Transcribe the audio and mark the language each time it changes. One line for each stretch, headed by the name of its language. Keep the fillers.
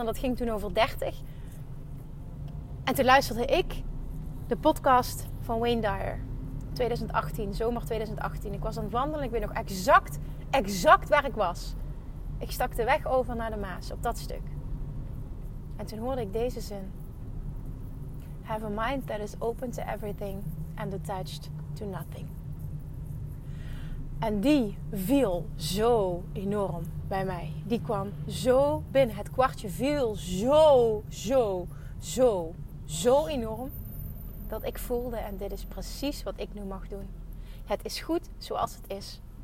Dutch: En dat ging toen over 30. En toen luisterde ik de podcast van Wayne Dyer. 2018, zomer 2018. Ik was aan het wandelen. Ik weet nog exact, exact waar ik was. Ik stak de weg over naar de Maas, op dat stuk. En toen hoorde ik deze zin.
English: Have a mind that is open to everything and attached to nothing.
Dutch: En die viel zo enorm bij mij. Die kwam zo binnen. Het kwartje viel zo, zo, zo, zo enorm. Dat ik voelde, en dit is precies wat ik nu mag doen. Het is goed zoals het is.